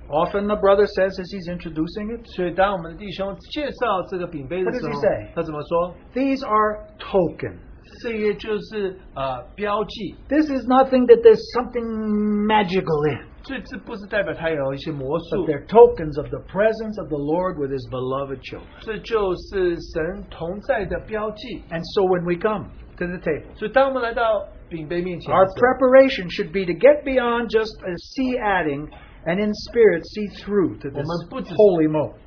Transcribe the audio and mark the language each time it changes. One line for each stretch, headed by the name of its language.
English: Often the brother says as he's introducing it,
Chinese: 所以当我们的弟兄介绍这个饼杯的时候,
English: what does he say?
Chinese: 他怎么说?
English: These are tokens.
Chinese: 这些就是, 标记。
English: This is nothing that there's something magical in.
Chinese: 这不是代表他有一些魔术。
English: But they're tokens of the presence of the Lord with his beloved children.
Chinese: 这就是神同在的标记。
English: And so when we come to the table,
Chinese: 所以当我们来到,
English: our preparation should be to get beyond just a sea adding and in spirit see through to this holy moment.